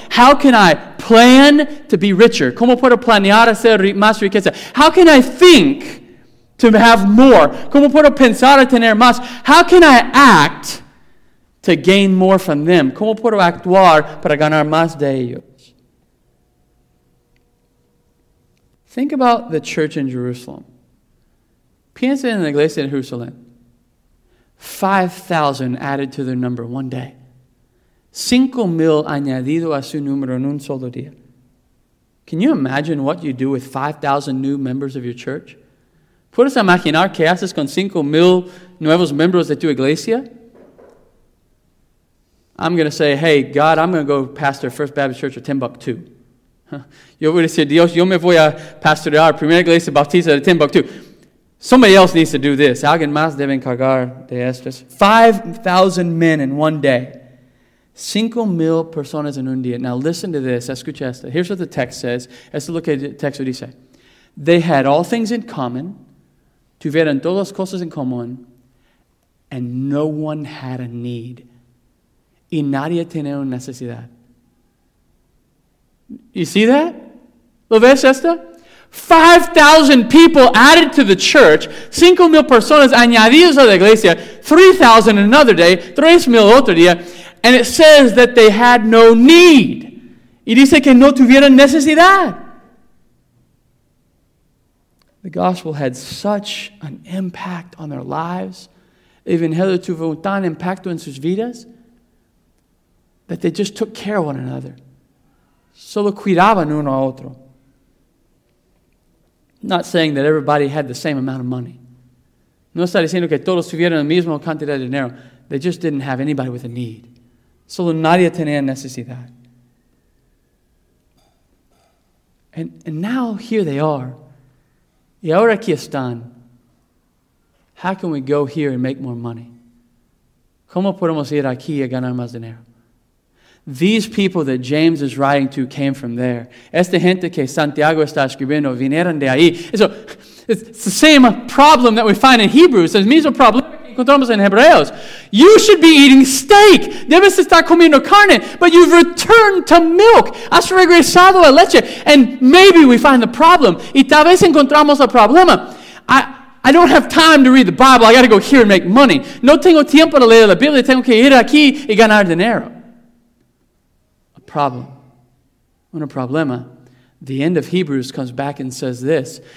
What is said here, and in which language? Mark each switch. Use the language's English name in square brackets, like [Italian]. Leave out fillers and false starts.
[English] How can I plan to be richer? [Spanish] ¿Cómo puedo planear hacer más riqueza? [English] How can I think to have more? [Spanish] ¿Cómo puedo pensar a tener más? [English] How can I act to gain more from them? [Spanish] ¿Cómo puedo actuar para ganar más de ellos? [English] Think about the church in Jerusalem. [Spanish] Piensa en la iglesia de Jerusalén. [English] 5,000 added to their number one day. [Spanish] 5,000 añadido a su número en un solo día. [English] Can you imagine what you do with 5,000 new members of your church? [Spanish] ¿Puedes imaginar qué haces con 5,000 nuevos miembros de tu iglesia? [English] I'm going to say, hey, God, I'm going to go pastor First Baptist Church of Timbuktu. [Spanish] Yo voy a decir, Dios, yo me voy a pastorear Primera Iglesia Bautista de Timbuktu. [English] Somebody else needs to do this. [Spanish] Alguien más debe encargar de esto. [English] 5,000 men in one day. [Spanish] 5,000 personas en un día. [English] Now listen to this. [Spanish] Escucha esto. [English] Here's what the text says. Esto es lo que el texto dice. They had all things in common. [Spanish] Tuvieron todas las cosas en común. [English] And no one had a need. [Spanish] y nadie tiene una necesidad. [English] You see that? [Spanish] ¿Lo ves esto? [English] 5,000 people added to the church, [Spanish] 5,000 personas añadidas a la iglesia, [English] 3,000 another day, [Spanish] 3,000 otro día, [English] and it says that they had no need. [Spanish] Y dice que no tuvieron necesidad. [English] The gospel had such an impact on their lives, even hitherto [Spanish] tuvo tan impacto en sus vidas, [English] that they just took care of one another. [Spanish] Solo cuidaban uno a otro. [English] Not saying that everybody had the same amount of money. [Spanish] No está diciendo que todos tuvieron la misma cantidad de dinero. [English] They just didn't have anybody with a need. [Spanish] Solo nadie tenía necesidad. [English] And now here they are. [Spanish] Y ahora aquí están. [English] How can we go here and make more money? [Spanish] ¿Cómo podemos ir aquí a ganar más dinero? [English] These people that James is writing to came from there. [Spanish] Esta gente que Santiago está escribiendo vinieron de ahí. [English] So, it's the same problem that we find in Hebrews. [Spanish] El mismo problema que encontramos en Hebreos. [English] You should be eating steak. [Spanish] Debes estar comiendo carne. [English] But you've returned to milk. [Spanish] Has regresado a leche. [English] And maybe we find the problem. [Spanish] Y tal vez encontramos el problema. [English] I don't have time to read the Bible. I got to go here and make money. [Spanish] No tengo tiempo de leer la Biblia. Tengo que ir aquí y ganar dinero. [English] Problem. [Spanish] Un problema. [English] The end of Hebrews comes back and says this.